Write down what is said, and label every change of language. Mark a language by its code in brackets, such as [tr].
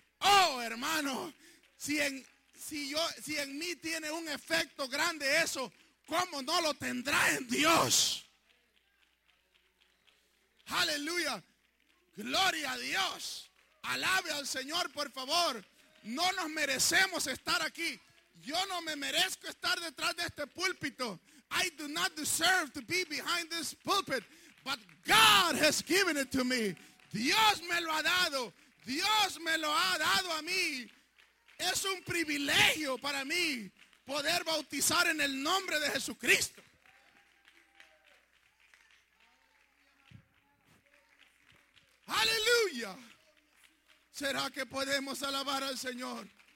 [es] Oh, hermano, si en mí tiene un efecto grande eso, ¿cómo no lo tendrá en Dios? Aleluya, gloria a Dios. Alabe al Señor, por favor. No nos merecemos estar aquí. Yo no me merezco estar detrás de este púlpito. [en] I do not deserve to be behind this pulpit, but God has given it to me. [es] Dios me lo ha dado. Dios me lo ha dado a mí. Es un privilegio para mí poder bautizar en el nombre de Jesucristo. Aleluya. ¿Será que podemos alabar al Señor?